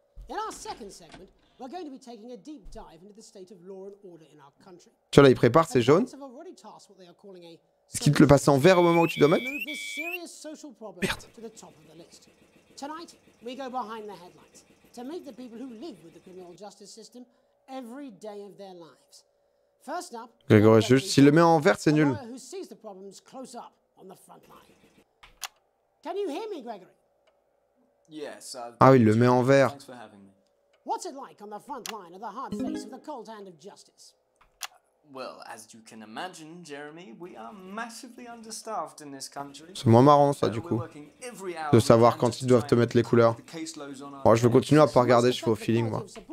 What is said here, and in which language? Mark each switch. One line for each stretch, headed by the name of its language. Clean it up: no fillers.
English: In our second segment, we're going to be taking a deep dive into the state of law and order in our country.
French: Tu vois là, il prépare, c'est jaune. Est-ce qu'il te le passe en vert au moment où tu dois mettre?
English: Merde. To the top of the list. Tonight, we go behind the headlines to meet the people who live with the criminal justice system every day of their lives.
French: First up, Grégory Juge, s'il le met en vert, c'est nul.
English: Who sees the problems close up on the front line. Can you hear me, Gregory? Yes,
French: ah oui, il le met en vert.
English: What's it like on the front line of the hard face of the cold hand of justice? Well, as you can imagine, Jeremy, we are massively understaffed in this country.
French: C'est moins marrant ça du coup, de savoir quand ils doivent te mettre les couleurs. Bon, je vais continuer à pas regarder, je fais au feeling moi.